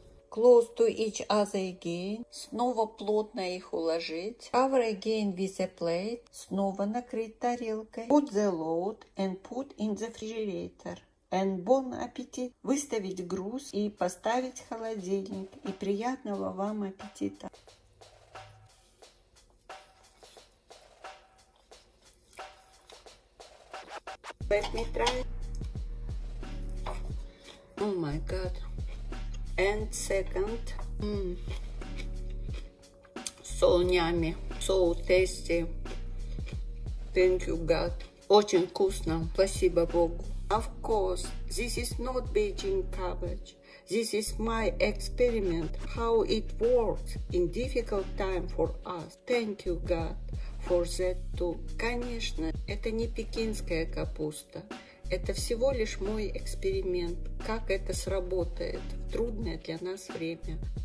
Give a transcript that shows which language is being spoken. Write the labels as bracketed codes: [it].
[en] Close to each other again. [ru] Снова плотно их уложить. [en] Cover again with a plate. [ru] Снова накрыть тарелкой. [en] Put the load and put in the refrigerator. And bon appetit. [ru] Выставить груз и поставить в холодильник. И приятного вам аппетита. [en] Let me try. Oh my God. And second, so yummy, so tasty, thank you God, [ru] очень вкусно, спасибо Богу. [en] Of course, this is not Beijing cabbage, this is my experiment, how it works in difficult time for us, thank you God for that too. [ru] Конечно, это не пекинская капуста. Это всего лишь мой эксперимент, как это сработает в трудное для нас время.